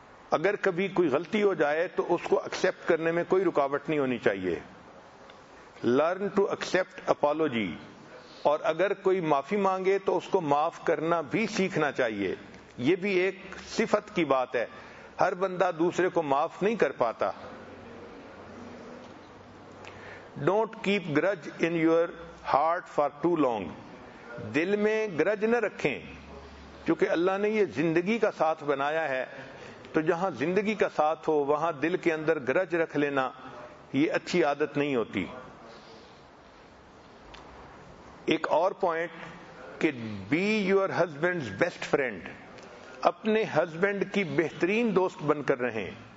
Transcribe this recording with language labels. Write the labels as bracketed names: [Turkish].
[Urdu] اگر کبھی کوئی غلطی ہو جائے تو اس کو ایکسپٹ کرنے میں کوئی رکاوٹ نہیں ہونی چاہیے. [English] learn to accept apology, [Urdu] اور اگر کوئی معافی مانگے تو اس کو معاف کرنا بھی سیکھنا چاہیے. یہ بھی ایک صفت کی بات ہے، ہر بندہ دوسرے کو معاف نہیں کر پاتا. [English] Don't keep grudge in your heart for too long. [Urdu] دل میں گرج نہ رکھیں, کیونکہ اللہ نے یہ زندگی کا ساتھ بنایا ہے, تو جہاں زندگی کا ساتھ ہو وہاں دل کے اندر گرج رکھ لینا یہ اچھی عادت نہیں ہوتی. ایک اور پوائنٹ کہ [English] be your husband's best friend, [Urdu] اپنے ہسبینڈ کی بہترین دوست بن کر رہیں.